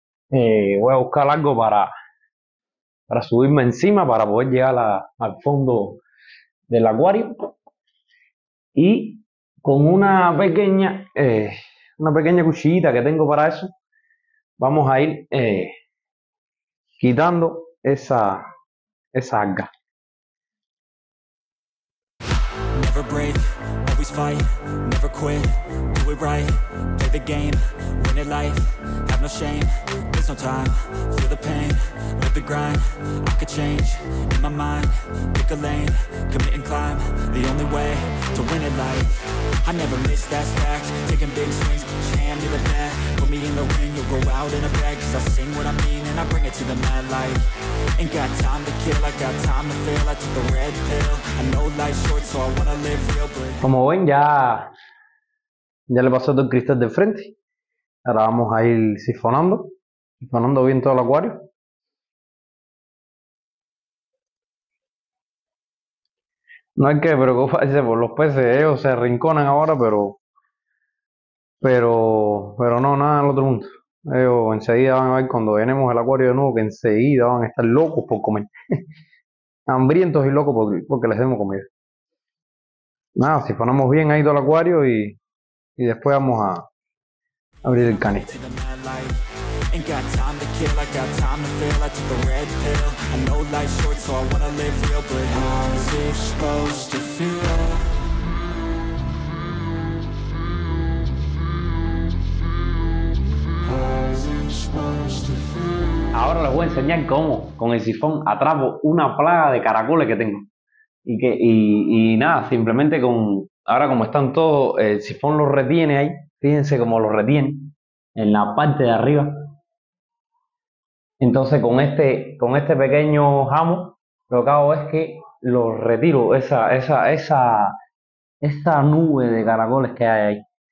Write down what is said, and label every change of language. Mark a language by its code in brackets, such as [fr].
[es] Voy a buscar algo para subirme encima para poder llegar al fondo del acuario. Y con una pequeña cuchillita que tengo para eso, vamos a ir quitando esa alga. [en] Never break, always fight, never quit, do it right, play the game, win it life, have no shame, there's no time, feel the pain, live the grind, I could change, in my mind, pick a lane, commit and climb, the only way to win it life. I never miss that fact, taking big swings, each hand in the bat, put me in the ring, you'll go out in a bag, cause I sing what I mean and I bring it to the mad light. Ain't got time to kill, I got time to fail, I took the red pill, I know life's short so I wanna live real but. [es] Como ven, ya le pasó todo el cristal de frente. Ahora vamos a ir sifonando bien todo el acuario. No hay que preocuparse por los peces, ellos se arrinconan ahora, pero no, nada del otro mundo. Ellos enseguida van a ver cuando llenemos el acuario de nuevo, que enseguida van a estar locos por comer. Hambrientos y locos porque les demos comida. Nada, si ponemos bien ahí todo el acuario y después vamos a abrir el canister. [en] Ain't got time to kill, I got time to feel. I took a red pill, I know life's short so I wanna live real. But how's it supposed to feel? How's it supposed to feel? [es] Ahora les voy a enseñar cómo con el sifón atrapo una plaga de caracoles que tengo. Y nada, simplemente ahora como están todos, el sifón los retiene ahí, fíjense cómo los retiene en la parte de arriba. Entonces con este pequeño jamo, lo que hago es que lo retiro, esa nube de caracoles que hay ahí.